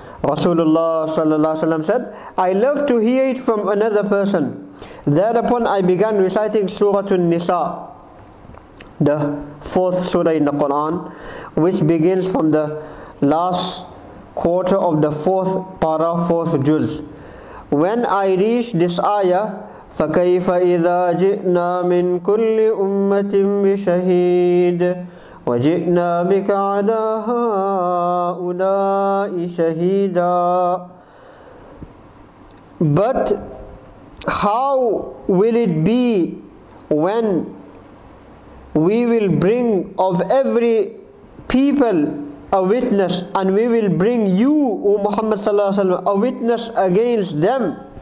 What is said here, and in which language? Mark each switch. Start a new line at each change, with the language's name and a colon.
English: Rasulullah sallallahu alaihi wasallam said, I love to hear it from another person. Thereupon I began reciting Surah An-Nisa, the fourth surah in the Quran, which begins from the last quarter of the fourth para, fourth juz. When I reached this ayah,
Arabic: فَكَيْفَ إِذَا جِئْنَا مِن كُلِّ أُمَّةٍ بِشَهِيدٍ وَجِئْنَا بِكَ عَلَى هَٰؤُلَاءِ شَهِيدًا.
English: But how will it be when we will bring of every people a witness, and we will bring you, O Muhammad sallallahu alaihi wasallam, a witness against them?